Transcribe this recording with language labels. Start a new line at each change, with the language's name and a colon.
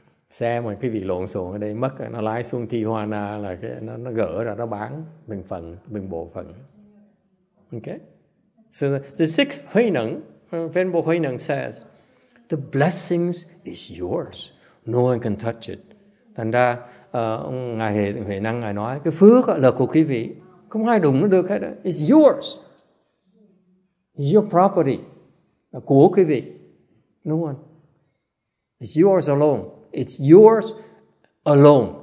Vietnamese: Xe mà quý vị lộn xộn ở đây mất, nó lái xuống Tijuana là nó gỡ ra, nó bán từng phần, từng bộ phận.
English: Okay? So the sixth Huy Neng, Venerable Huy Neng says, the blessings is yours. No one can touch it.
Vietnamese: Thành ra, Ngài Huệ Năng, Ngài nói, cái phước là của quý vị. Không ai đụng nó được hết.
English: It's yours. It's your property.
Vietnamese: Là của quý vị.
English: No one. It's yours alone. It's yours alone.